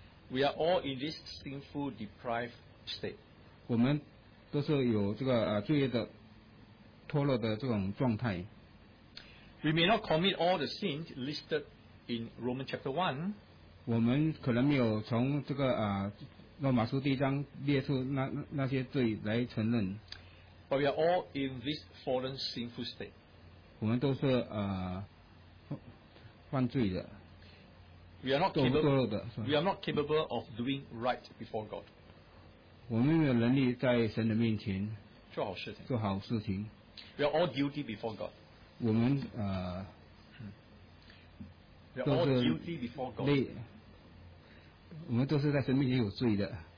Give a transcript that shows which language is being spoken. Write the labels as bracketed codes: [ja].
[en] We are all in this sinful, deprived state. [zh] 我们都是有这个罪业的脱落的这种状态。 [en] We may not commit all the sins listed in Romans chapter 1. [zh] 我们可能没有从这个罗马书第一章列出那些罪来承认。 [en] But we are all in this fallen, sinful state. [zh] 我们都是犯罪的。 [en] We are not capable of doing right before God. [zh] 我们没有能力在神的面前做好事情。 [en] We are all guilty before God. [zh] 我们 [en] We are all guilty before God. [zh] 我们都是在神面前有罪的。